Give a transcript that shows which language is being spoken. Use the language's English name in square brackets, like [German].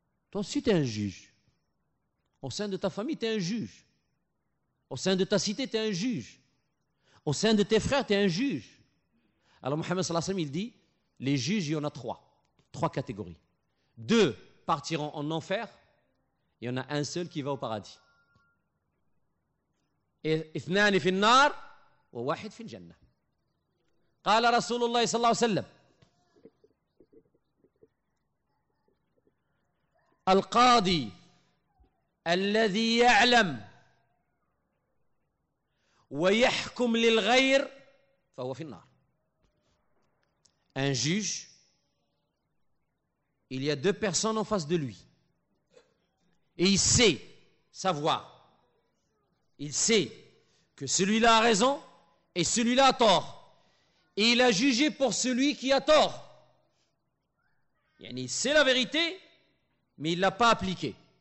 [French] Toi aussi, tu es un juge. Au sein de ta famille, tu es un juge. Au sein de ta cité, tu es un juge. Au sein de tes frères, tu es un juge. Alors, Mohammed sallallahu alayhi wa sallam, il dit, les juges, il y en a trois. Trois catégories. Deux partiront en enfer. Il y en a un seul qui va au paradis. [Arabic] Et ثنان في النار وواحد في الجنة. قال رسول الله صلى الله عليه وسلم القاضي الذي يعلم ويحكم للغير فهو في النار. [French] Un juge, il y a deux personnes en face de lui. Et il sait savoir. Il sait que celui-là a raison et celui-là a tort. Et il a jugé pour celui qui a tort. Yani, il sait la vérité. Mais il ne l'a pas appliqué.